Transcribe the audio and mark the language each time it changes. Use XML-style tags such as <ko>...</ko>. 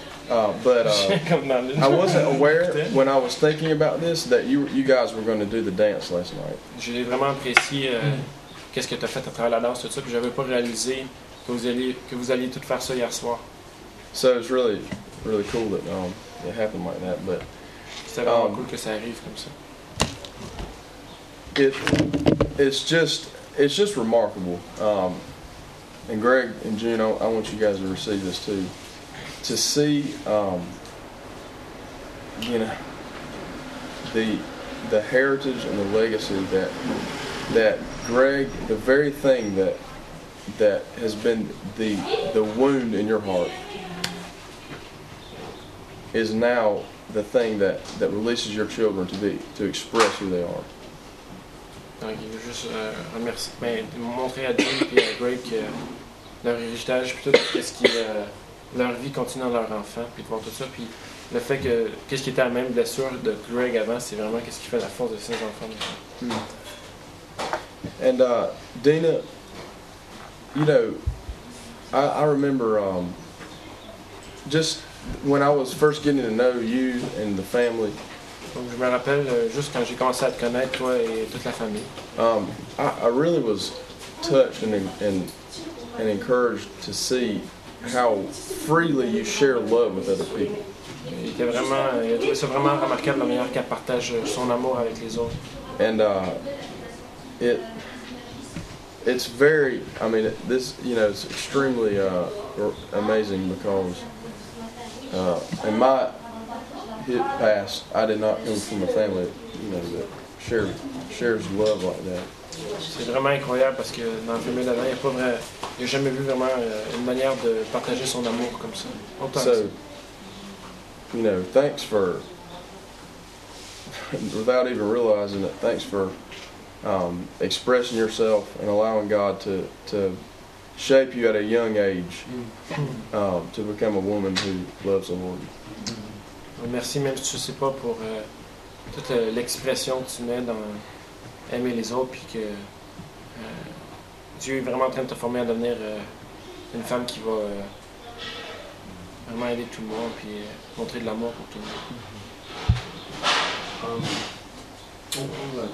<en>I wasn't aware when I was thinking about this that you guys were going to do the dance last night.</en> <fr>Je l'ai vraiment apprécié. Qu'est-ce que tu as fait à travers la danse, tout ça, puis j'avais pas réalisé que vous alliez tout faire ça hier soir.</fr> <en>So it's really, really cool that it happened like that, but</en> <fr>c'est vraiment cool que ça arrive comme ça.</fr> <en>It's just remarkable. And Greg and Juno, I want you guys to receive this too. To see, you know, the heritage and the legacy that Greg, the very thing that has been the wound in your heart, is now the thing that releases your children to express who they are.</en> <fr>Donc, il veut juste montrer à Dean et à Greg que leur héritage, puis tout ce qui leur vie continue dans leur enfant, puis de voir tout ça. Puis le fait que, qu'est-ce qui était la même blessure de Greg avant, c'est vraiment qu'est-ce qui fait la force de ses enfants. Mm.</fr> <en>And Dana, you know, I remember just when I was first getting to know you and the family.</en> <fr>Donc, je me rappelle juste quand j'ai commencé à te connaître, toi et toute la famille.</fr> <en>I really was touched and encouraged to see how freely you share love with other people.</en> <fr>C'est vraiment remarquable la manière qu'elle partage son amour avec les autres.</fr> <en>And it's very, I mean, this, you know, it's extremely amazing because in my hit past, I did not come from a family, you know, that shares love like that.</en> <fr>C'est vraiment incroyable parce que dans la famille d'avant, il n'y a pas vrai, il n'y a jamais vu vraiment une manière de partager son amour comme ça. Autant</fr> <en>so, you know, thanks for, without even realizing it, thanks for expressing yourself and allowing God to shape you at a young age to become a woman who loves the Lord.</en> <fr>Merci, même si tu ne sais pas, pour toute l'expression que tu mets dans aimer les autres, puis que Dieu est vraiment en train de te former à devenir une femme qui va vraiment aider tout le monde, puis montrer de l'amour pour tout le monde.</fr>